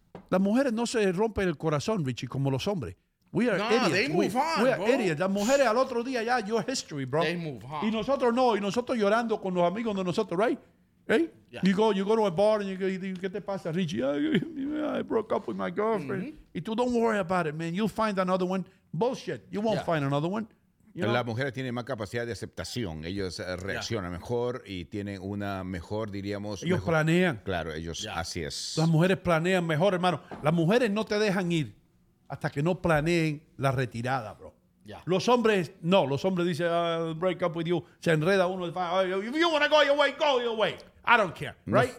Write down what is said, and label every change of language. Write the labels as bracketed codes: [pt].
[es] Las mujeres no se rompen el corazón, Richie, como los hombres. [en] We are idiots. They move on, we are idiots. [es] Las mujeres al otro día ya, [en] you're history, bro. They move on. [es] Y nosotros no. Y nosotros llorando con los amigos de nosotros, right? [en] Hey, yeah. You go to a bar and you go, [es] ¿qué te pasa, Richie? [en] I broke up with my girlfriend. Mm-hmm. [es] Y tú, [en] don't worry about it, man. You'll find another one. Bullshit. You won't find another one. [es] Las mujeres tienen más capacidad de aceptación. Ellos reaccionan mejor y tienen una mejor, diríamos... Ellos planean. Claro, ellos, así es. Las mujeres planean mejor, hermano. Las mujeres no te dejan ir hasta que no planeen la retirada, bro. Los hombres, no. Los hombres dicen, [en] break up with you. [es] Se enreda uno. [en] If you wanna go your way. I don't care, right?